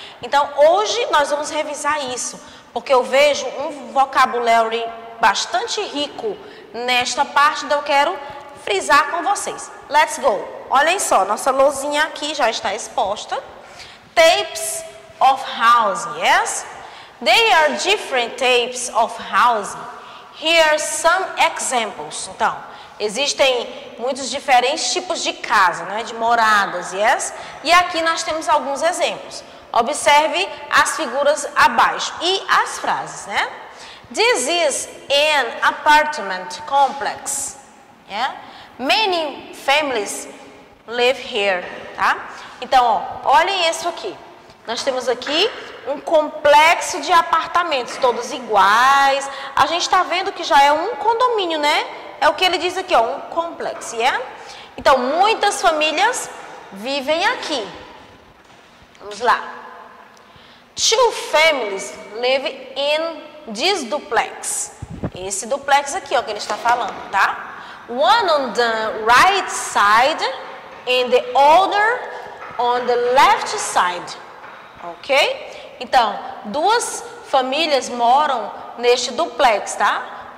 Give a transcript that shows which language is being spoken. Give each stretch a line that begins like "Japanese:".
Portuguese: Então, hoje nós vamos revisar isso, porque eu vejo um vocabulário bastante rico nesta parte, então eu quero frisar com vocês.
English: Let's go!
Portuguese: Olhem só, nossa lousinha aqui já está exposta.
English: Types of housing, yes? They are different types of housing. Here are some examples.
Portuguese: Então, existem muitos diferentes tipos de casa, né? De moradas, yes? E aqui nós temos alguns exemplos. Observe as figuras abaixo e as frases, né?
English: This is an apartment complex. Yeah? Many families live here, tá?
Portuguese: Então, ó, olhem isso aqui. Nós temos aqui um complexo de apartamentos, todos iguais. A gente está vendo que já é um condomínio, né? É o que ele diz aqui, ó, um complexo, yeah? Então, muitas famílias vivem aqui. Vamos lá.
English: Two families live in this duplex.
Portuguese: Esse duplex aqui, ó, que ele está falando, tá?
English: One on the right side and the other on the left side. Ok?
Portuguese: Então, duas famílias moram neste duplex, tá?